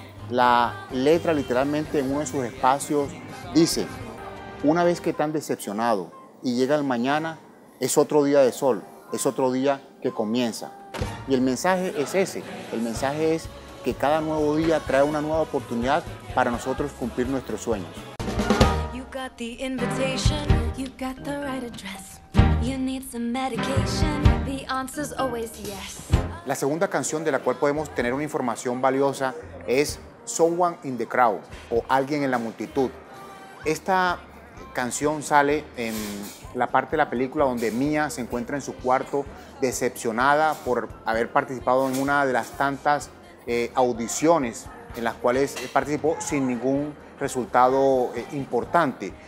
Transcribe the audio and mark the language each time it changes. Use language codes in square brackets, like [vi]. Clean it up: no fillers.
[es] La letra, literalmente, en uno de sus espacios dice: una vez que tan decepcionado y llega el mañana, es otro día de sol, es otro día que comienza. Y el mensaje es ese, el mensaje es que cada nuevo día trae una nueva oportunidad para nosotros cumplir nuestros sueños. [en] You got the invitation, you got the right address. You need some medication, the answer's always yes. [es] La segunda canción de la cual podemos tener una información valiosa es Someone in the Crowd o Alguien en la Multitud. Esta canción sale en la parte de la película donde Mia se encuentra en su cuarto decepcionada por haber participado en una de las tantas audiciones en las cuales participó sin ningún resultado importante.